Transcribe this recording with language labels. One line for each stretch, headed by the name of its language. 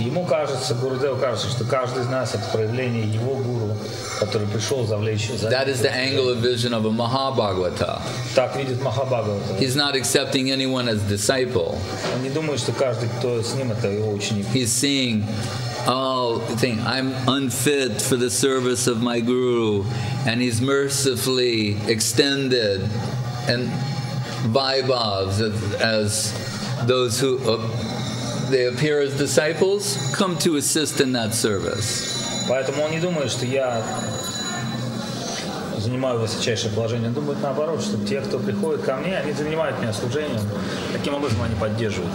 Russian: Ему кажется, Гурудеву кажется, что каждый из нас это проявление его гуру, который пришел завлечь.
English: That is the angle of vision of a Mahabhagavata.
Russian: Так видит Махабхагавата.
English: He's not accepting anyone as disciple.
Russian: Он не думает, что каждый, кто с ним, это его ученик.
English: He's seeing all things. I'm unfit for the service of my guru, and he's mercifully extended and vaibhavs as those who they appear as disciples come to assist in that service.
Russian: Поэтому он не думает, что я занимаю высочайшее положение. Думают наоборот, что те, кто приходит ко мне, они занимают меня служением. Таким образом они поддерживают.